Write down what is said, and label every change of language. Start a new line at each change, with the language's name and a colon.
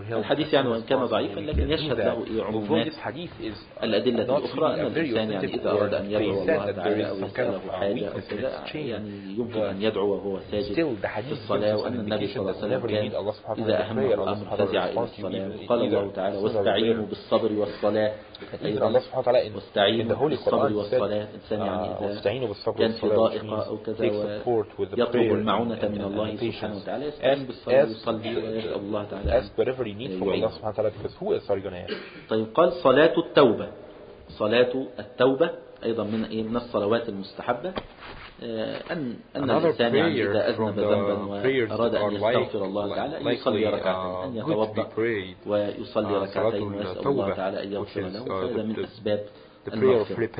Arabic: الحديث يعني وإن كان ضعيفا لكن يشهد له عمومات الأدلة الأخرى أن الإنسان يعني إذا أراد أن يدعو الله تعالى أو يسأله حاجة أو كذا يعني يمكن أن يدعو وهو ساجد في الصلاة وأن النبي صلى الله عليه وسلم كان إذا أهمه الأمر فزع إلى الصلاة وقال الله تعالى واستعينوا بالصبر والصلاة أيضا الله سبحانه وتعالى واستعينوا بالصبر والصلاة الإنسان يعني إذا كان في ضائقة أو كذا يطلب المعونة من الله سبحانه وتعالى يستعين بالصبر ويصلي ويسأل الله تعالى
English: ask whatever he needs from Allah سبحانه وتعالى because who is sorry gonna ask.
Arabic: طيب قال صلاة التوبة. صلاة التوبة أيضا من الصلوات المستحبة أن الإنسان إذا أذنب ذنبا وأراد أن يستغفر الله تعالى يصلي ركعتين أن يتوضأ ويصلي ركعتين ويسأل الله تعالى أن يغفر له فهذا من أسباب المغفرة.